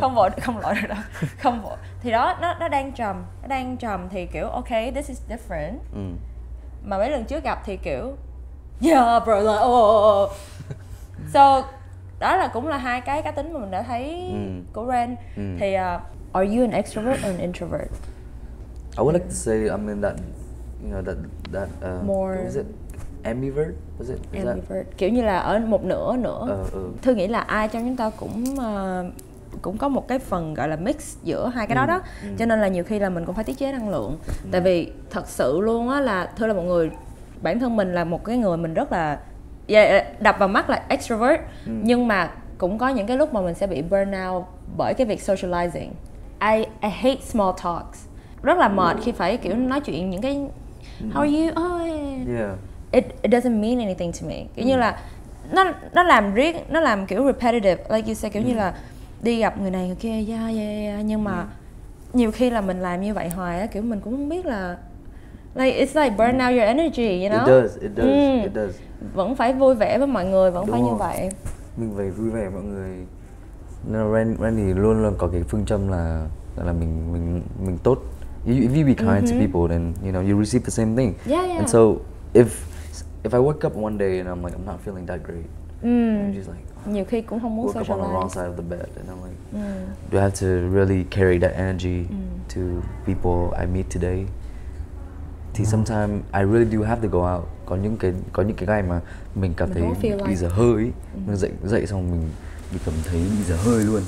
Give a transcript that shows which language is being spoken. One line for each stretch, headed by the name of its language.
Vietnamese: Không vội, không lội được đâu. Không vội. Thì đó nó đang trầm, nó đang trầm thì kiểu
English: okay, this is different.
Vietnamese: Mà mấy lần trước gặp thì kiểu
English: yeah bro like
Vietnamese: So đó là cũng là hai cái cá tính mà mình đã thấy của Ren.
English: Thì are you an extrovert or an introvert? I would like to say I mean that you know that more is it ambivert? Was it is
Vietnamese: ambivert? That... Kiểu như là ở một nửa nữa. Thư nghĩ là ai trong chúng ta cũng cũng có một cái phần gọi là mix giữa hai cái đó. Cho nên là nhiều khi là mình cũng phải tiết chế năng lượng. Tại vì thật sự luôn á là Thư là một người, bản thân mình là một cái người mình rất là đập vào mắt là extrovert. Nhưng mà cũng có những cái lúc mà mình sẽ bị burnout bởi cái việc socializing.
English: I hate small talks.
Vietnamese: Rất là mệt khi phải kiểu nói chuyện những cái
English: how are you? Oh, yeah. It doesn't mean anything to me.
Vietnamese: Kiểu như là nó làm riết, nó làm kiểu repetitive.
English: Like you say
Vietnamese: kiểu như là đi gặp người này người kia, yeah. Nhưng mà nhiều khi là mình làm như vậy hoài á, kiểu mình cũng không biết là
English: like it's like burn out your energy, you know? It does.
Vietnamese: Vẫn phải vui vẻ với mọi người, vẫn đúng phải rồi. Như vậy. Mình phải vui vẻ với mọi người. Nên Ren thì luôn luôn có cái phương châm là mình tốt.
English: If you be kind to people, then you know you receive the same thing. Yeah. And so if I wake up one day and I'm like I'm not feeling that great, just like.
Vietnamese: Nhiều khi cũng không muốn
English: woke socialize. Up on the wrong side of the bed and I'm like do I have to really carry that energy to people I meet today? Thì sometimes I really do have to go out.
Vietnamese: Có những cái ngày mà mình cảm thấy bị dở hơi, mình dậy xong mình cảm thấy bị dở hơi luôn.